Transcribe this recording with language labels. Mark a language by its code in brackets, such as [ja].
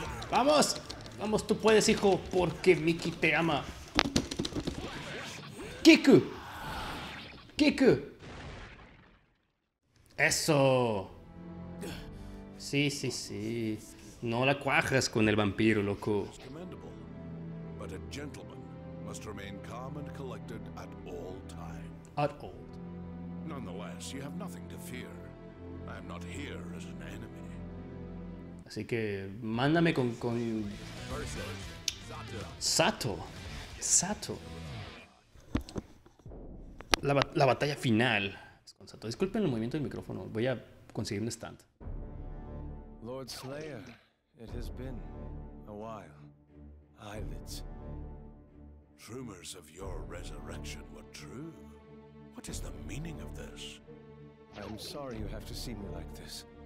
[es] Vamos, vamos, tú puedes, hijo, porque Mickey te ama. Kiku. Kiku. Eso. Sí, sí, sí. No la cuajas con el vampiro, loco. [en] But a gentleman must remain calm and collected at all time. At all. Nonetheless, you have nothing to fear. I'm not here as an enemy. [es] Así que mándame con Sato. Sato. La batalla final. Disculpen el movimiento del micrófono. Voy a conseguir un stand. [en] Lord Slayer, it has been a while. Eyelids. Rumors of your resurrection were true. What is the meaning of this? I'm sorry you have to see me like this.